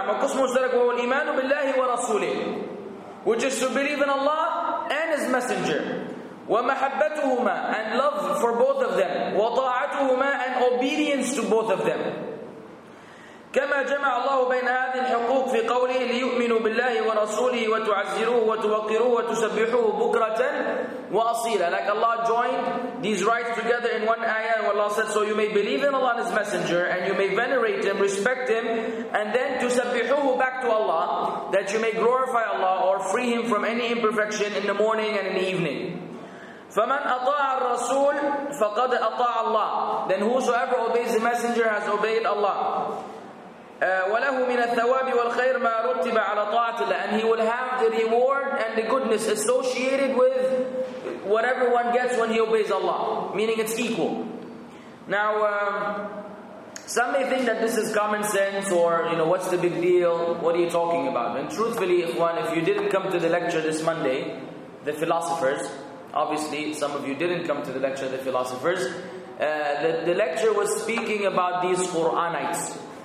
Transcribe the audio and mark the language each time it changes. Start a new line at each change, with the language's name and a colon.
Arabic: وقسم مشترك هو الإيمان بالله ورسوله,
English: which is to believe in Allah and His Messenger.
Arabic: ومحبتهما,
English: and love for both of them.
Arabic: وطاعتهما,
English: and obedience to both of them.
Arabic: كما جمع الله بين هذه الحقوق في قوله ليؤمنوا بالله ورسوله وتعزروه وتوقروه وتسبحوه بكرة وأصيلا.
English: Like Allah joined these rights together in one ayah where Allah said, so you may believe in Allah and His Messenger and you may venerate Him, respect Him, and then تسبحوه back to Allah, that you may glorify Allah or free Him from any imperfection in the morning and in the evening.
Arabic: فَمَنْ أَطَاعَ الرَّسُولِ فَقَدْ أَطَاعَ اللَّهِ.
English: Then whosoever obeys the Messenger has obeyed Allah.
Arabic: وله من الثواب والخير ما رتب على طاعة الله.
English: And he will have the reward and the goodness associated with whatever one gets when he obeys Allah. Meaning it's equal. Now, some may think that this is common sense, or, you know, what's the big deal? What are you talking about? And truthfully, ikhwan, if you didn't come to the lecture this Monday, the philosophers, obviously some of you didn't come to the lecture, the philosophers, the lecture was speaking about these Quranites.